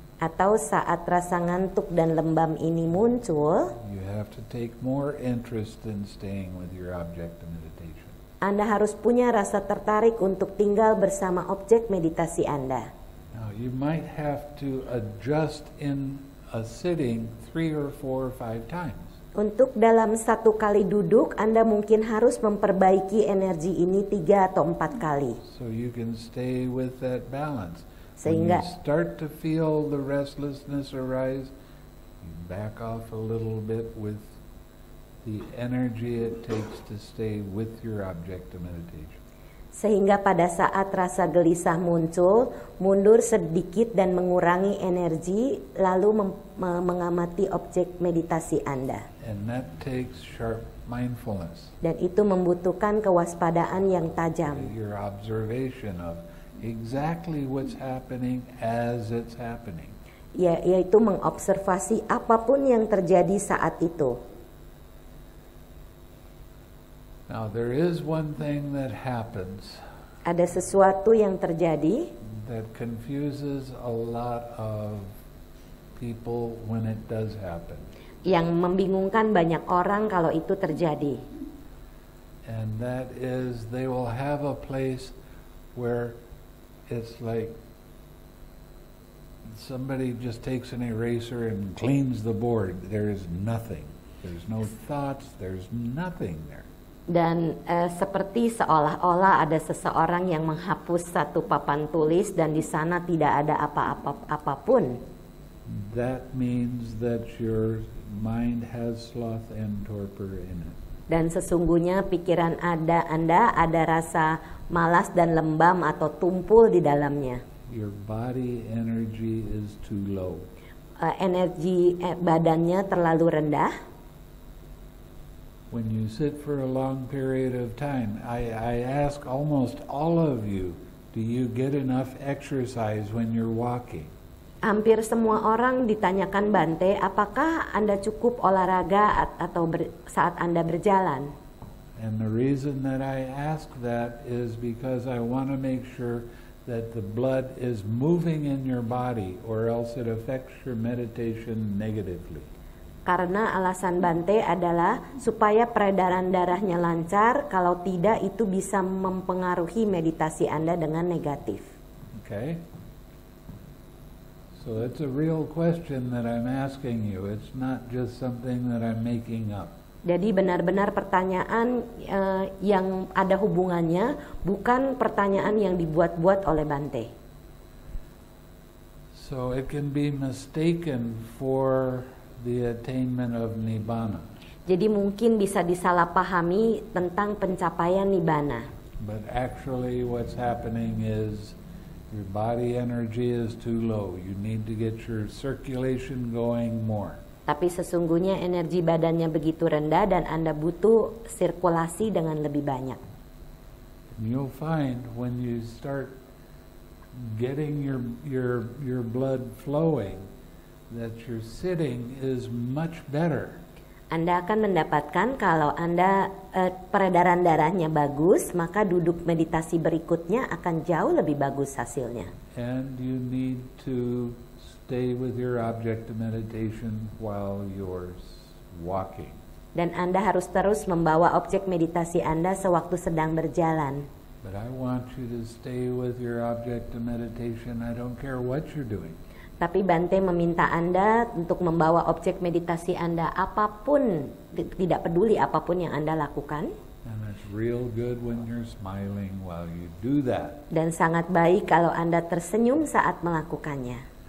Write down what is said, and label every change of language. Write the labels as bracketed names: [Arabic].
[Indonesian] Atau saat rasa ngantuk dan lembam ini muncul, [English] you have to take more interest in staying with your object of meditation. [Indonesian] Anda harus punya rasa tertarik untuk tinggal bersama objek meditasi Anda. [English] Now you might have to adjust in a sitting 3, 4, or 5 times. [Indonesian] Untuk dalam satu kali duduk, Anda mungkin harus memperbaiki energi ini 3 atau 4 kali. [English] So you can stay with that balance. [Indonesian] Sehingga, [English] when you start to feel the restlessness arise, you back off a little bit with the energy it takes to stay with your object of meditation. [Indonesian] Sehingga pada saat rasa gelisah muncul, mundur sedikit dan mengurangi energi, lalu mengamati objek meditasi Anda. [English] And that takes sharp mindfulness. [Indonesian] Dan itu membutuhkan kewaspadaan yang tajam. [English] Your observation of exactly what's happening as it's happening. [Indonesian] Yaitu mengobservasi apapun yang terjadi saat itu. [English] Now there is one thing that happens. [Indonesian] Ada sesuatu yang terjadi [English] that confuses a lot of people when it does happen. [Indonesian] Yang membingungkan banyak orang kalau itu terjadi. [English] And that is they will have a place where it's like somebody just takes an eraser and cleans the board. There is nothing. There's no thoughts, there's nothing there. [Indonesian] Dan seperti seolah-olah ada seseorang yang menghapus satu papan tulis dan di sana tidak ada apapun. [English] That means that your mind has sloth and torpor in it. [Indonesian] Dan sesungguhnya pikiran Anda ada rasa malas dan lembam atau tumpul di dalamnya. [English] Your body energy is too low. [Indonesian] Energi badannya terlalu rendah. [English] When you sit for a long period of time, I ask almost all of you, do you get enough exercise when you're walking? [Indonesian] Hampir semua orang ditanyakan Bante, apakah Anda cukup olahraga atau saat Anda berjalan? [English] And the reason that I ask that is because I want to make sure that the blood is moving in your body or else it affects your meditation negatively. [Indonesian] Karena alasan Bante adalah supaya peredaran darahnya lancar, kalau tidak itu bisa mempengaruhi meditasi Anda dengan negatif. [English] Okay. So it's a real question that I'm asking you. It's not just something that I'm making up. [Indonesian] Jadi benar-benar pertanyaan yang ada hubungannya, bukan pertanyaan yang dibuat-buat oleh Bante. [English] So it can be mistaken for the attainment of nibbana. [Indonesian] Jadi mungkin bisa disalahpahami tentang pencapaian nibbana. [English] But actually what's happening is your body energy is too low. You need to get your circulation going more. [Indonesian] Tapi sesungguhnya energi badannya begitu rendah dan Anda butuh sirkulasi dengan lebih banyak. [English] And you'll find when you start getting your blood flowing that your sitting is much better. [Indonesian] Anda akan mendapatkan kalau Anda peredaran darahnya bagus, maka duduk meditasi berikutnya akan jauh lebih bagus hasilnya. [English] And you need to stay with your object of meditation while you're walking. [Indonesian] Dan Anda harus terus membawa objek meditasi Anda sewaktu sedang berjalan. [English] But I want you to stay with your object of meditation. I don't care what you're doing. [Indonesian] Tapi Bante meminta Anda untuk membawa objek meditasi Anda apapun, tidak peduli apapun yang Anda lakukan. [English] And it's real good when you're smiling while you do that. [Indonesian] Dan sangat baik kalau Anda tersenyum saat melakukannya.